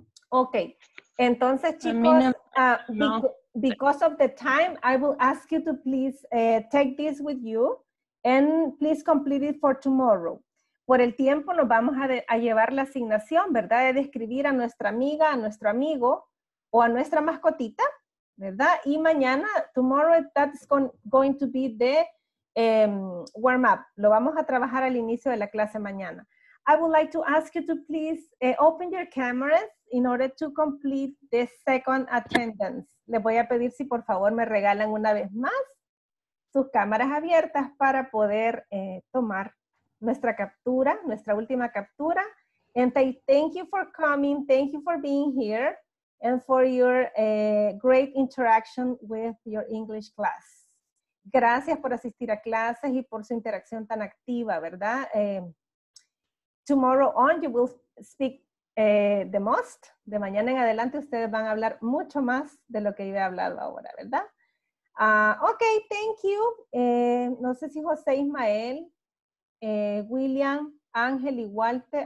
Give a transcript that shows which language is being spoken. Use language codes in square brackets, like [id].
[en] Ok, [es] entonces chicos, [en] because of the time, I will ask you to please take this with you and please complete it for tomorrow. [es] Por el tiempo nos vamos a llevar la asignación, ¿verdad? De describir a nuestra amiga, a nuestro amigo o a nuestra mascotita, ¿verdad? Y mañana, [en] tomorrow, that's going to be the warm-up. [es] Lo vamos a trabajar al inicio de la clase mañana. [en] I would like to ask you to please open your cameras in order to complete the second attendance. [es] Le voy a pedir si por favor me regalan una vez más sus cámaras abiertas para poder tomar nuestra captura, nuestra última captura. [en] And I thank you for coming, thank you for being here, and for your great interaction with your English class. [es] Gracias por asistir a clases y por su interacción tan activa, ¿verdad? [en] Tomorrow on, you will speak the most. [es] De mañana en adelante, ustedes van a hablar mucho más de lo que yo he hablado ahora, ¿verdad? [en] Okay, thank you. [es] No sé si José Ismael, William, Ángel y Walter.